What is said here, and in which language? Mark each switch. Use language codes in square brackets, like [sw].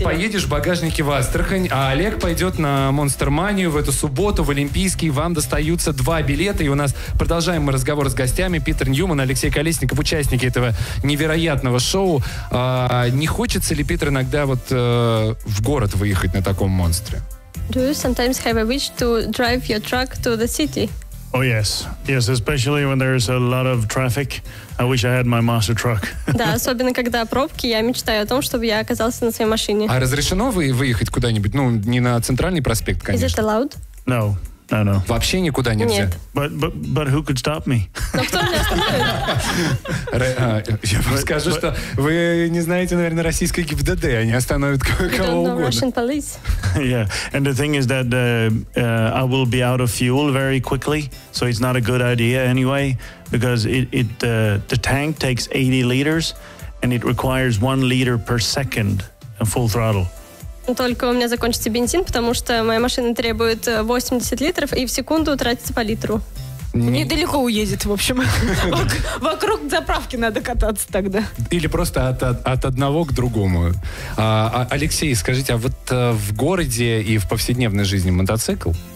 [ru] И поедешь в багажнике в Астрахань, а Олег пойдет на Монстерманию в эту субботу, в Олимпийский. Вам достаются 2 билета. И у нас продолжаем мы разговор с гостями. Питер Ньюман, Алексей Колесников, участники этого невероятного шоу. Не хочется ли, Питер, иногда вот в город выехать на таком монстре? [en] Do you sometimes have a wish to drive your truck to the city? Oh yes, yes, especially when there's a lot of traffic. I wish I had my monster truck. [ru] Да, особенно когда пробки, я мечтаю о том, чтобы я оказался на своей машине. А разрешено выехать куда-нибудь? Ну, не на центральный проспект, конечно. [en] Is it allowed? No, no, no. [ru] Вообще никуда нельзя? Нет. [en] But who could stop me? [ru] Но кто меня остановит? Я вам скажу, что вы не знаете, наверное, российской ГИБДД, они остановят кого угодно. [en] You don't know Russian police. Yeah, and the thing is that I will be out of fuel very quickly, so it's not a good idea anyway, because the tank takes 80 liters, and it requires 1 liter per second in full throttle. [ru] Только у меня закончится бензин, потому что моя машина требует 80 литров, и в секунду тратится по литру. Недалеко уедет, в общем. Вокруг заправки надо кататься тогда. Или просто от одного к другому. Алексей, скажите, а вот в городе и в повседневной жизни мотоцикл?